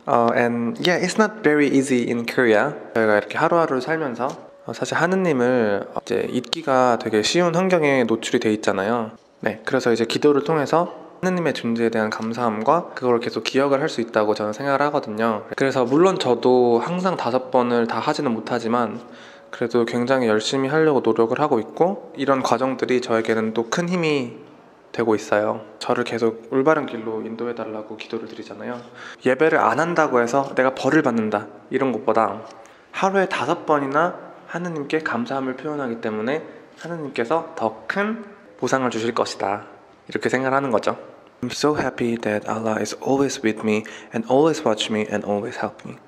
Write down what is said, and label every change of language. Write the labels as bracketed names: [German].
[English] And yeah, it's not very easy in Korea. [Korean] 저희가 이렇게 하루하루 살면서 사실 하느님을 이제 잊기가 되게 쉬운 환경에 노출이 돼 있잖아요. 네, 그래서 이제 기도를 통해서 하느님의 존재에 대한 감사함과 그걸 계속 기억을 할 수 있다고 저는 생각을 하거든요. 그래서 물론 저도 항상 5번을 다 하지는 못하지만 그래도 굉장히 열심히 하려고 노력을 하고 있고 이런 과정들이 저에게는 또 큰 힘이 되고 있어요. 저를 계속 올바른 길로 인도해 달라고 기도를 드리잖아요. 예배를 안 한다고 해서 내가 벌을 받는다 이런 것보다 하루에 다섯 번이나 하느님께 감사함을 표현하기 때문에 하느님께서 더 큰 보상을 주실 것이다 이렇게 생각을 하는 거죠. [English] I'm so happy that Allah is always with me and always watch me and always help me.